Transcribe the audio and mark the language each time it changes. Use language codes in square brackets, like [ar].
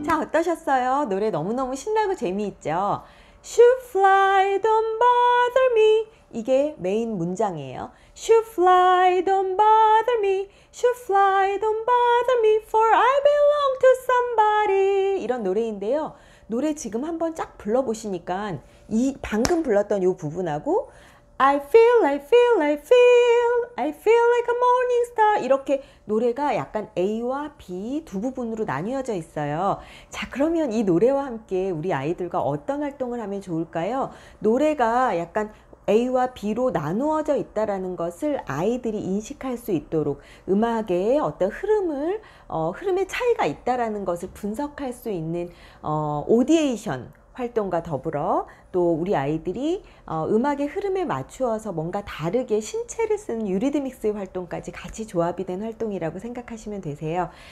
[ko] 어떠셨어요? 노래 너무너무 신나고 재미있죠? [en] Should fly, don't bother me. [ko] 이게 메인 문장이에요. [en] Should fly, don't bother me. Should fly, don't bother me. For I belong to somebody. [ko] 이런 노래인데요. 노래 지금 한번 쫙 불러보시니까 이 방금 불렀던 이 부분하고 [en] I feel, I feel, I feel, I feel like a morning star. [ko] 이렇게 노래가 약간 A와 B 두 부분으로 나뉘어져 있어요. 자, 그러면 이 노래와 함께 우리 아이들과 어떤 활동을 하면 좋을까요? 노래가 약간 A와 B로 나누어져 있다라는 것을 아이들이 인식할 수 있도록 음악의 어떤 흐름을 흐름의 차이가 있다라는 것을 분석할 수 있는 오디에이션 활동과 더불어 또 우리 아이들이 음악의 흐름에 맞추어서 뭔가 다르게 신체를 쓰는 유리드믹스의 활동까지 같이 조합이 된 활동이라고 생각하시면 되세요.